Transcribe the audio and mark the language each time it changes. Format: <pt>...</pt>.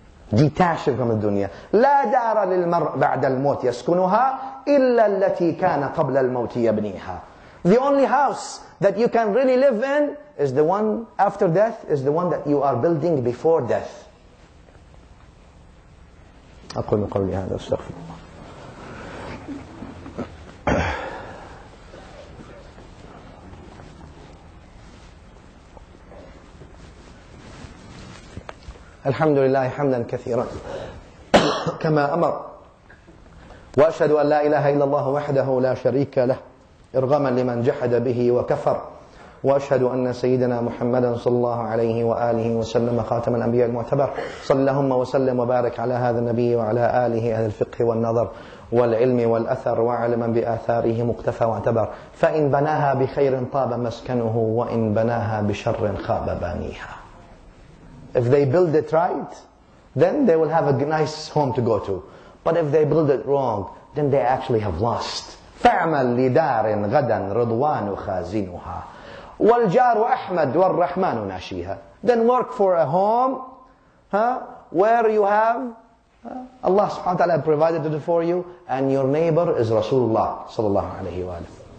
<en>Detaching from the dunya.</en> <ar>لَا دَارَ لِلْمَرْءِ بَعْدَ الْمَوْتِ يَسْكُنُهَا إِلَّا الَّتِي كَانَ قَبْلَ الْمَوْتِ يَبْنِيهَا.</ar> <en>The only house that you can really live in is the one after death, is the one that you are building before death.</en> <ar>أقول قولي هذا استغفر الله. الحمد لله حمدا كثيرا. كما أمر وأشهد أن لا إله إلا الله وحده لا شريك له إرغما لمن جحد به وكفر وأشهد أن سيدنا محمدا صلى الله عليه وآله وسلم خاتم الأنبياء المعتبر صلى اللهم وسلم وبارك على هذا النبي وعلى آله أهل الفقه والنظر والعلم والأثر وعلى من بآثاره مكتفى واعتبر فإن بناها بخير طاب مسكنه وإن بناها بشر خاب بانيها.</ar> <en>If they build it right, then they will have a nice home to go to. But if they build it wrong, then they actually have lost.</en> <ar>فَعْمَلْ لِدَارٍ غَدًا رِضْوَانُ خَازِنُهَا وَالْجَارُ أَحْمَدْ وَالرَّحْمَنُ نَاشِيهَا.</ar> <en>Then work for a home, where you have Allah subhanahu wa ta'ala provided it for you, and your neighbor is Rasulullah sallallahu alayhi wa alayhi.</en>